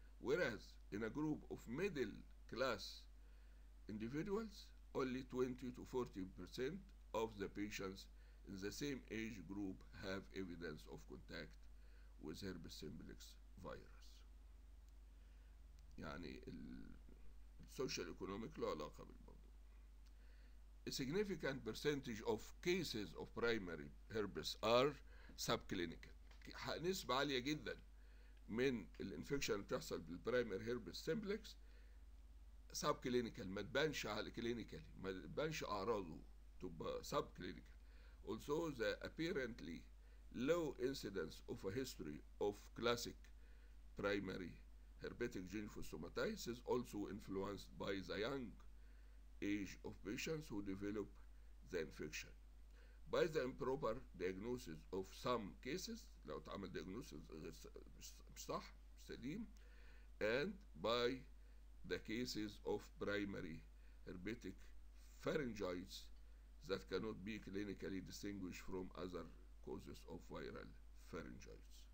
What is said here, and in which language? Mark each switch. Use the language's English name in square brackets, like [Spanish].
[English] Whereas in a group of middle class individuals, only 20 to 40% of the patients in the same age group have evidence of contact with herpes simplex virus. [Arabic] يعني ال social economic له علاقة بالموضوع. [English] A significant percentage of cases of primary herpes are subclinical. [Arabic] نسبة عالية جدا من الانفكشن بتحصل بالبرايمر هيربس سيمبلكس ساب كلينيكال ما تبانش على كلينيكال ما تبانش اعراضه تبقى ساب كلينيكال. [English] Also the apparently low incidence of a history of classic primary herpetic gingival stomatitis is also influenced by the young age of patients who develop the infection. By the improper diagnosis of some cases, [Arabic] لو تعمل [English] diagnosis [Arabic] مش صح, سليم, [English] and by the cases of primary herpetic pharyngitis that cannot be clinically distinguished from other causes of viral pharyngitis.